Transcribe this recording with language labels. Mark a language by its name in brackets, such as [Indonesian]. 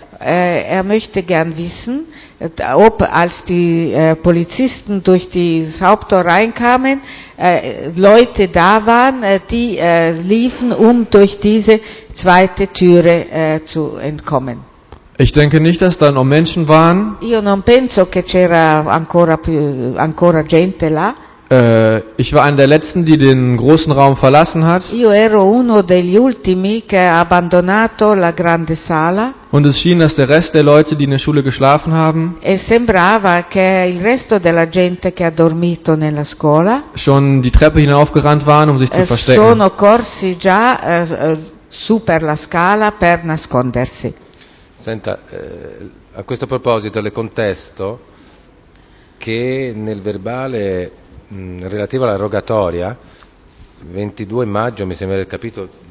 [German] er möchte gern wissen, ob als die Polizisten durch das Haupttor reinkamen, Leute da waren, die liefen, um durch diese zweite Türe zu entkommen. Ich denke nicht, dass da noch Menschen waren. [Italian] Io non penso che c'era ancora gente là. [German] Ich war einer der Letzten, die den großen Raum verlassen hat. [Italian] Io ero uno degli ultimi che ha abbandonato la grande sala. [German] Und es schien, dass der Rest der Leute, die in der Schule geschlafen haben, [Italian] e sembrava che il resto della gente che ha dormito nella scuola, [German] schon die Treppe hinaufgerannt waren, um sich zu verstecken. [Italian] Sono corsi già su per la scala per nascondersi. Senta, a questo proposito le contesto che nel verbale relativo alla rogatoria 22 maggio mi sembra il capitolo